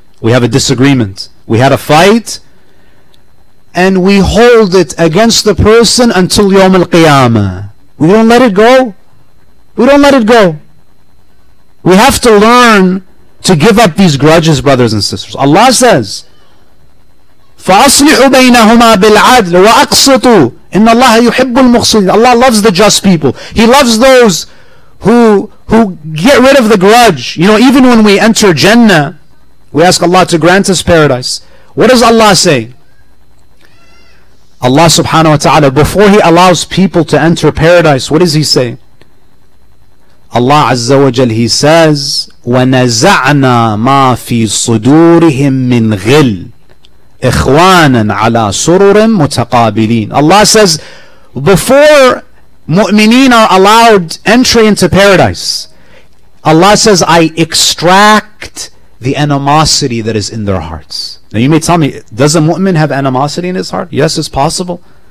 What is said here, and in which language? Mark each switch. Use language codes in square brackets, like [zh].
[en] We have a disagreement. We had a fight. And we hold it against the person until Yawm al-Qiyamah. We don't let it go. We don't let it go. We have to learn to give up these grudges, brothers and sisters. Allah says, [ar] فَأَصْلِحُ بَيْنَهُمَا بِالْعَدْلِ وَأَقْسِطُ. إِنَّ اللَّهَ يُحِبُّ الْمُقْسِطِينَ. [en] Allah loves the just people. He loves those who get rid of the grudge. You know, even when we enter Jannah, we ask Allah to grant us paradise. What does Allah say? Allah subhanahu wa ta'ala, before He allows people to enter paradise, what does He say? Allah azza wa jal, He says, [ar] وَنَزَعْنَا مَا فِي صُدُورِهِم مِّنْ غِلْ إِخْوَانًا عَلَىٰ سُرُرٍ مُتَقَابِلِينَ. [en] Allah says, before mu'mineen are allowed entry into paradise, Allah says, I extract the animosity that is in their hearts. Now you may tell me, does a mu'min have animosity in his heart? Yes, it's possible.